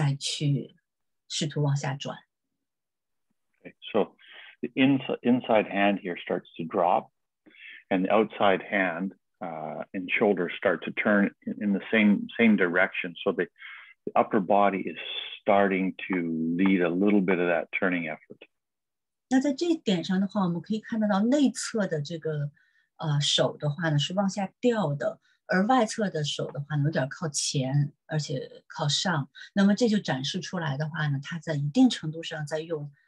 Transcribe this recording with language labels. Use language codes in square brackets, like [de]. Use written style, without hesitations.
[zh] 那它这个这样的一个滑行姿态的话呢，其实是给这个滑雪者一个非常好的一个站姿，那可能更好的去调整方向啊，调整速度啊。但是这个的话呢，跟在大弯里面这个滑行者有一个类似的一个问题出现，就是说，在有些场合它是用上半身再去试图往下转。 [en] The inside hand here starts to drop, and the outside hand and shoulder start to turn in the same direction. So the upper body is starting to lead a little bit of that turning effort. [zh] 那在这一点上的话，我们可以看到到内侧的这个手的话呢是往下掉的，而外侧的手的话呢有点靠前，而且靠上。那么这就展示出来的话呢，它在一定程度上在用。